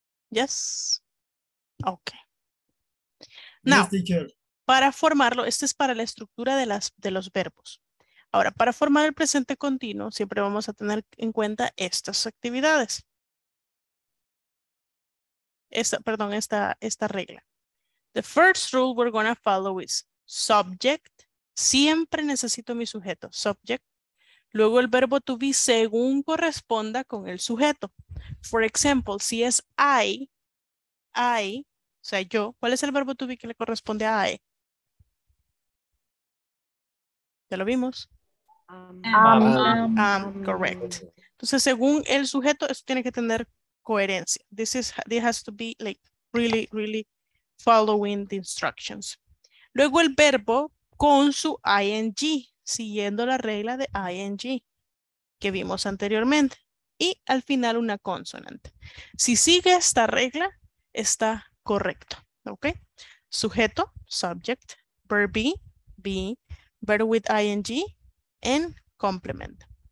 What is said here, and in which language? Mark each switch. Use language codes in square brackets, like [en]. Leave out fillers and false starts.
[en] Yes. Okay. [es] Now, para formarlo, este es para la estructura de los verbos. Ahora, para formar el presente continuo, siempre vamos a tener en cuenta estas actividades. Esta regla. [en] The first rule we're going to follow is subject. [es] Siempre necesito mi sujeto. Subject. Luego el verbo to be según corresponda con el sujeto. [en] For example, [es] si es I, o sea yo, ¿cuál es el verbo to be que le corresponde a I? Ya lo vimos. Correct. Entonces según el sujeto, esto tiene que tener coherencia. [en] This has to be like really, really following the instructions. [es] Luego el verbo con su ing, siguiendo la regla de ing que vimos anteriormente, y al final una consonante. Si sigue esta regla, está correcto, ¿ok? [en] Sujeto, subject, verb be, verb with ing, and complement.